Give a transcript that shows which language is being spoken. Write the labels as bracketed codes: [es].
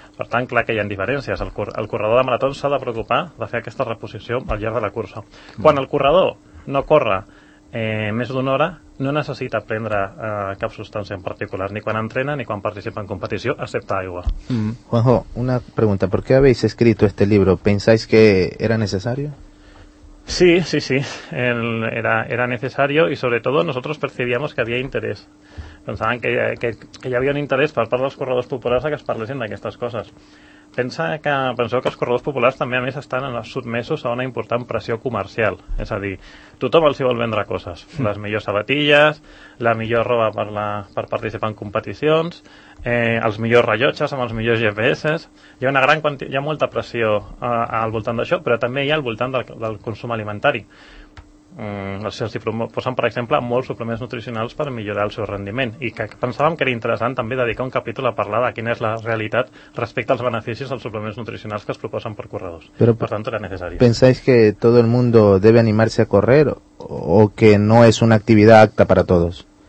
[ca] Per tant, clar que hi ha diferències. El corredor de marató s'ha de preocupar de fer aquesta reposició al llarg de la cursa. Quan el corredor no corre més d'una hora, no necessita prendre cap substància en particular, ni quan entrena ni quan participa en competició, excepte aigua. Juanjo, una pregunta. [es] ¿Por qué habéis escrito este libro? ¿Pensáis que era necesario? Sí. Era necesario y sobre todo nosotros percibíamos que había interés. [ca] Pensaven que hi havia un interès per part dels corredors populars que es parlessin d'aquestes coses. Penseu que els corredors populars també, a més, estan sotmesos a una important pressió comercial. És a dir, tothom els hi vol vendre coses. Les millors sabatilles, la millor roba per participar en competicions, els millors rellotges amb els millors GPS. Hi ha una gran quantitat, hi ha molta pressió al voltant d'això, però també hi ha al voltant del consum alimentari. Els posen, per exemple, molts suplements nutricionals per millorar el seu rendiment, i que pensàvem que era interessant també dedicar un capítol a parlar de quina és la realitat respecte als beneficis dels suplements nutricionals que es proposen per corredors. Però, per tant, era necessari. [es] ¿Pensáis que todo el mundo debe animarse a correr o que no es una actividad apta para todos?